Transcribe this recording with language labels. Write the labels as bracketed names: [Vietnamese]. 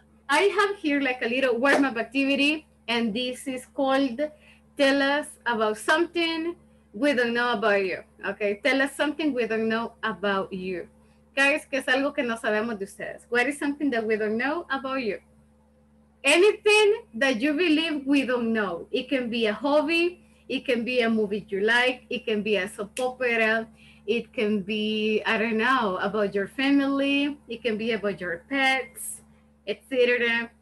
[English] I have here like a little warm-up activity, and this is called tell us about something we don't know about you. Okay, tell us something we don't know about you. [Spanish] Guys, que es algo que no sabemos de ustedes. [English] What is something that we don't know about you? Anything that you believe we don't know. It can be a hobby, it can be a movie you like, it can be a soap opera, it can be, I don't know, about your family, it can be about your pets, etc.